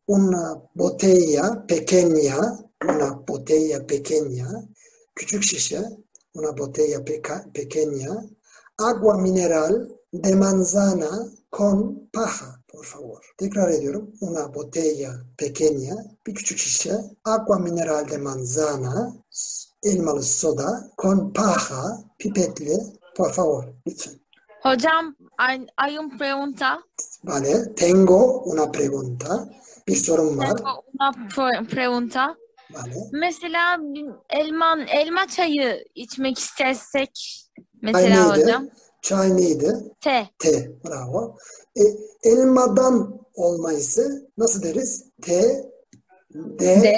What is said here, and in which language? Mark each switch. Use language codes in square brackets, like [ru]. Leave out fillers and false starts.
[es] Una botella pequeña, una botella pequeña, [tr] küçük şişe, [es] una botella pequeña, agua mineral de manzana con paja, por favor. [tr] Tekrar ediyorum, [es] una botella pequeña, bir küçük şişe, agua mineral de manzana, elmalı soda, con paja, pipetli, por favor, lütfen. Hocam, hay un pregunta. Vale, tengo una pregunta. [tr] Bir sorun var. [es] Una pregunta. Vale. [tr] Mesela elma çayı içmek istersek mesela çay neydi? Hocam. Çay neydi? [es] Te. Te, bravo. [tr] Elmadan olma ise nasıl deriz? [es] Te, de.